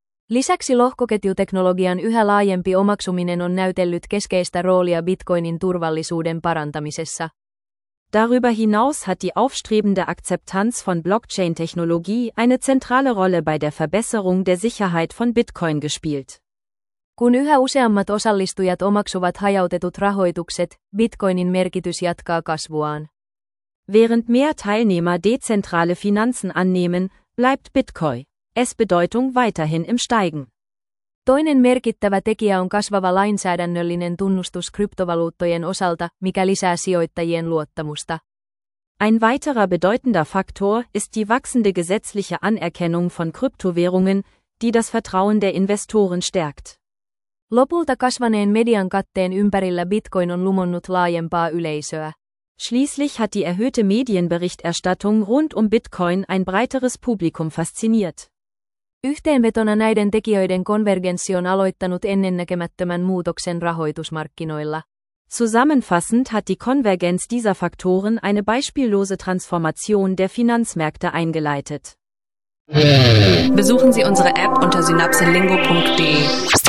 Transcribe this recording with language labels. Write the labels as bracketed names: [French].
[Finnish] Lisäksi lohkoketjuteknologian yhä laajempi omaksuminen on näytellyt keskeistä roolia Bitcoinin turvallisuuden parantamisessa. [German] Darüber hinaus hat die aufstrebende Akzeptanz von Blockchain-Technologie eine zentrale Rolle bei der Verbesserung der Sicherheit von Bitcoin gespielt. [Finnish] Kun yhä useammat osallistujat omaksuvat hajautetut rahoitukset, Bitcoinin merkitys jatkaa kasvuaan. [German] Während mehr Teilnehmer dezentrale Finanzen annehmen, bleibt Bitcoin, es Bedeutung weiterhin im Steigen. [Finnish] Toinen merkittävä tekijä on kasvava lainsäädännöllinen tunnustus kryptovaluuttojen osalta, mikä lisää sijoittajien luottamusta. [German] Ein weiterer bedeutender Faktor ist die wachsende gesetzliche Anerkennung von Kryptowährungen, die das Vertrauen der Investoren stärkt. [Finnish] Lopulta kasvaneen median katteen ympärillä Bitcoin on lumonnut laajempaa yleisöä. [German] Schließlich hat die erhöhte Medienberichterstattung rund Bitcoin ein breiteres Publikum fasziniert. [Finnish] Yhteenvetona näiden tekijöiden konvergenssi on aloittanut ennennäkemättömän muutoksen rahoitusmarkkinoilla. [German] Zusammenfassend hat die Konvergenz dieser Faktoren eine beispiellose Transformation der Finanzmärkte eingeleitet. Besuchen Sie unsere App unter synapselingo.de.